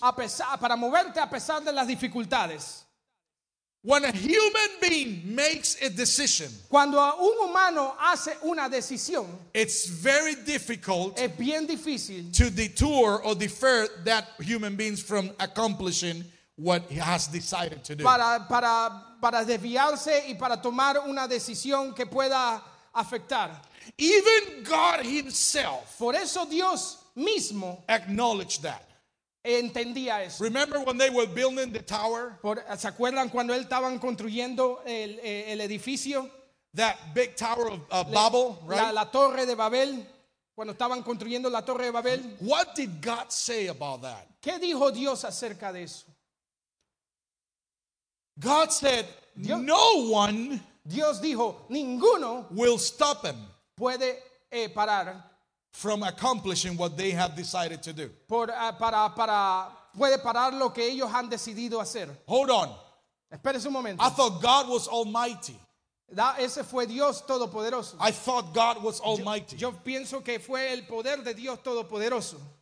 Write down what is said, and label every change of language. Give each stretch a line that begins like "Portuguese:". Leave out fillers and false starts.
Spanish: Para moverte a pesar de las dificultades.
English: When a human being makes a decision,
Spanish: cuando un humano hace una decisión,
English: it's very difficult,
Spanish: es bien difícil,
English: to detour or defer that human being from accomplishing what he has decided to do.
Spanish: Para desviarse y para tomar una decisión que pueda afectar.
English: Even God himself,
Spanish: por eso Dios mismo,
English: acknowledged that.
Spanish: Entendía eso.
English: Remember when they were building the tower?
Spanish: ¿Se acuerdan cuando él estaban construyendo el edificio?
English: That big tower of Babel, right?
Spanish: La torre de Babel. Cuando estaban construyendo la torre de Babel.
English: What did God say about that?
Spanish: ¿Qué dijo Dios acerca de eso?
English: God said,
Spanish: Dios,
English: no one,
Spanish: Dios dijo, ninguno,
English: will stop him,
Spanish: puede parar,
English: from accomplishing what they have decided to do.
Spanish: Para puede parar lo que ellos han decidido hacer.
English: Hold on.
Spanish: Espérese un momento.
English: I thought God was almighty.
Spanish: Ese fue Dios todopoderoso.
English: I thought God was almighty.
Spanish: Yo pienso que fue el poder de Dios todopoderoso.